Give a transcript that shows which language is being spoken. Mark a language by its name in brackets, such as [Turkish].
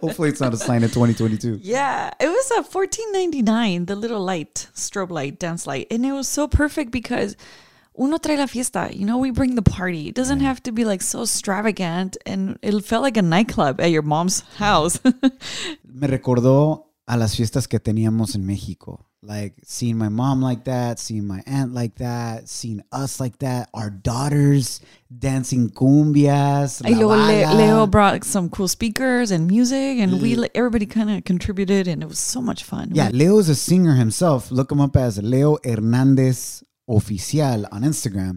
[English] Hopefully it's not a sign of 2022. Yeah, it was a $14.99, the little light, strobe light, dance light. And it was so perfect because [Spanish] uno trae la fiesta. [English] You know, we bring the party. It doesn't have to be like so extravagant. And it felt like a nightclub at your mom's house. [Spanish] Me recordó a las fiestas que teníamos en México. [English] Like seeing my mom like that, seeing my aunt like that, seeing us like that, our daughters dancing cumbias. [Spanish] Ay, luego [English] Leo brought some cool speakers and music, and everybody kind of contributed, and it was so much fun. Yeah, Leo's a singer himself. Look him up as Leo Hernandez Oficial on Instagram.